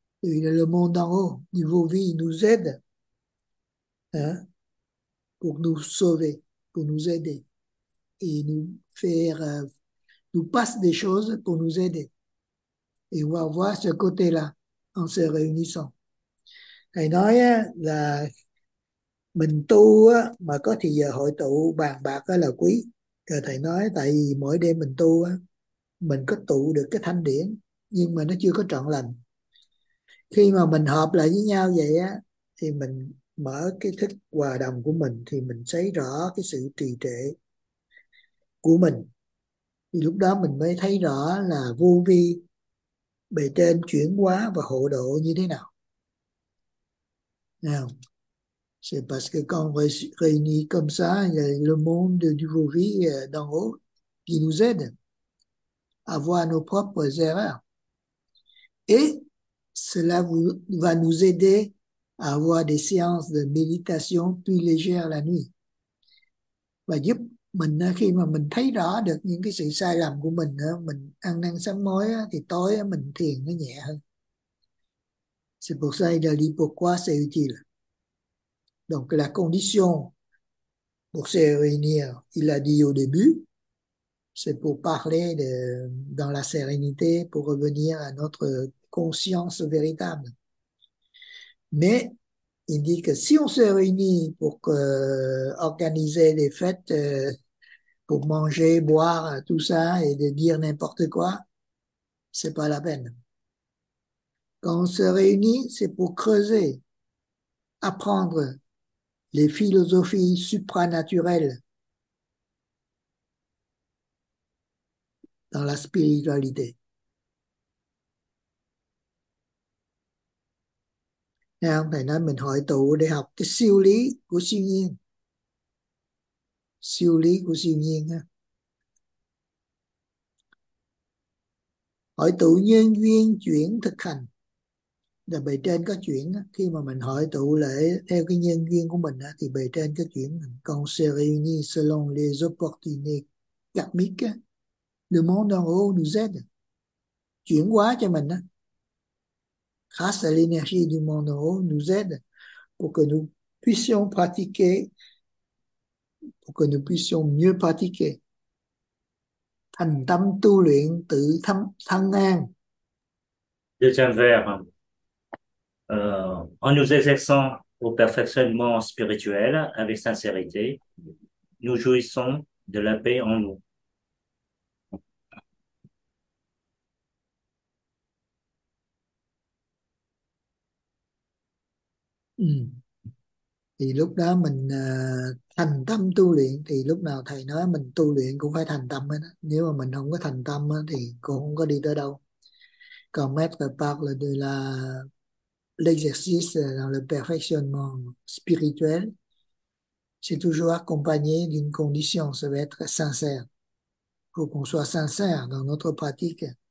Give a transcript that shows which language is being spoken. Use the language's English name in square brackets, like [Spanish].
[French] Le monde en haut, le Vovi nous aide, hein, pour nous sauver, pour nous aider et nous faire, nous passe des choses pour nous aider. Et on va voir ce côté-là en se réunissant. [Vietnamese] Thầy nói là mình tu mà có thì giờ hội tụ bàn bạc đó là quý. Rồi thầy nói tại vì mỗi đêm mình tu mình có tụ được cái thanh điển nhưng mà nó chưa có trọn lành. Khi mà mình hợp lại với nhau vậy á thì mình mở cái thức hòa đồng của mình thì mình thấy rõ cái sự trì trệ của mình. Thì lúc đó mình mới thấy rõ là vô vi bề trên chuyển hóa và hộ độ như thế nào. Nào, [French] c'est parce que quand on réunit comme ça, il y a le monde du Vovi d'en haut qui nous aide à voir nos propres erreurs. Et cela va nous aider à avoir des séances de méditation plus légères la nuit. [Vietnamese] Và giúp mình khi mà mình thấy rõ được những cái sự sai lầm của mình, mình ăn năn sám hối thì tối mình thiền nó nhẹ hơn. [French] C'est pour ça qu'il a dit pourquoi c'est utile. Donc, la condition pour se réunir, il l'a dit au début, c'est pour parler dans la sérénité, pour revenir à notre conscience véritable. Mais il dit que si on se réunit pour organiser des fêtes, pour manger, boire, tout ça, et de dire n'importe quoi, c'est pas la peine. Quand on se réunit, c'est pour creuser, apprendre les philosophies supranaturelles dans la spiritualité. [Vietnamese] Nào, thầy nói mình hội tụ để học cái siêu lý của siêu nhiên. Siêu lý của siêu nhiên ha. Hội tụ nhân duyên chuyển thực hành. Là bề trên có chuyển, khi mà mình hội tụ lễ theo cái nhân duyên của mình thì bề trên có chuyển. Còn [French] se réunir selon les opportunités karmiques, le monde en haut nous aide, [Vietnamese] chuyển hóa cho mình đó. [French] Grâce à l'énergie du monde en haut nous aide pour que nous puissions pratiquer, pour que nous puissions mieux pratiquer. [Vietnamese] Thành tâm tu luyện tự thâm thân an. [French] Je tiens vers en nous exerçant au perfectionnement spirituel avec sincérité, nous jouissons de la paix en nous. [Vietnamese] Thì lúc đó mình thành tâm tu luyện, thì lúc nào thầy nói mình tu luyện cũng phải thành tâm ấy. Nếu mà mình không có thành tâm ấy, thì cũng không có đi tới đâu. Còn [French] Maître parle de la l'exercice dans le perfectionnement spirituel, c'est toujours accompagné d'une condition, ça va être sincère. Il faut qu'on soit sincère dans notre pratique.